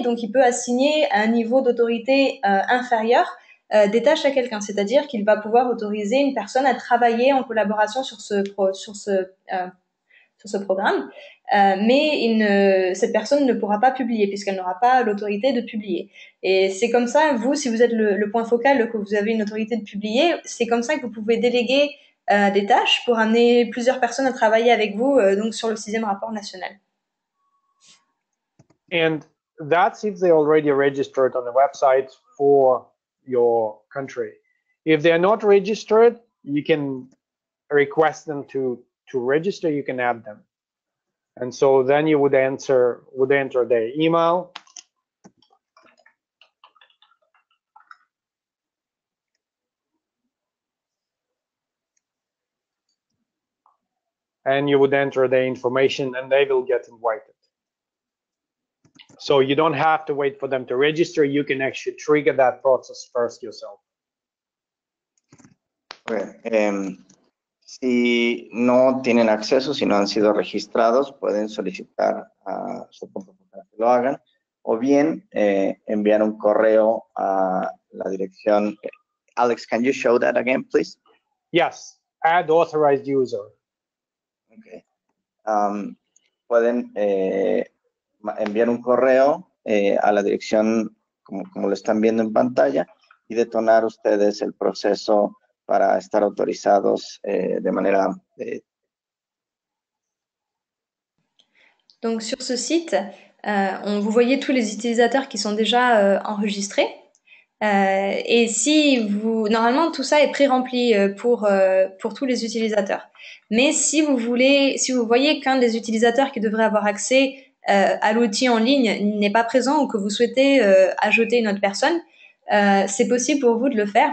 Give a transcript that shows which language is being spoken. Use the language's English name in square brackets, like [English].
[French] Donc, il peut assigner à un niveau d'autorité inférieur des tâches à quelqu'un, c'est-à-dire qu'il va pouvoir autoriser une personne à travailler en collaboration sur ce programme, mais cette personne ne pourra pas publier puisqu'elle n'aura pas l'autorité de publier. Et c'est comme ça, vous, si vous êtes le point focal, que vous avez une autorité de publier, c'est comme ça que vous pouvez déléguer des tâches pour amener plusieurs personnes à travailler avec vous donc sur le sixième rapport national. [English] And that's if they already registered on the website for your country. If they're not registered, you can request them to register, you can add them. And so then you would enter their email. And you would enter their information and they will get invited. So you don't have to wait for them to register, you can actually trigger that process first yourself. Okay. [Spanish] Si no tienen acceso, si no han sido registrados, pueden solicitar a su punto focal que lo hagan, o bien enviar un correo a la dirección. [English] Alex, can you show that again, please? Yes, add authorized user. Okay. [Spanish] Pueden enviar un correo a la dirección, como lo están viendo en pantalla, y detonar ustedes el proceso para estar autorizados de manera. [French] Donc sur ce site, vous voyez tous les utilisateurs qui sont déjà enregistrés. Et si vous, normalement, tout ça est pré-rempli pour tous les utilisateurs. Mais si vous voulez, si vous voyez qu'un des utilisateurs qui devrait avoir accès à l'outil en ligne n'est pas présent ou que vous souhaitez ajouter une autre personne, c'est possible pour vous de le faire.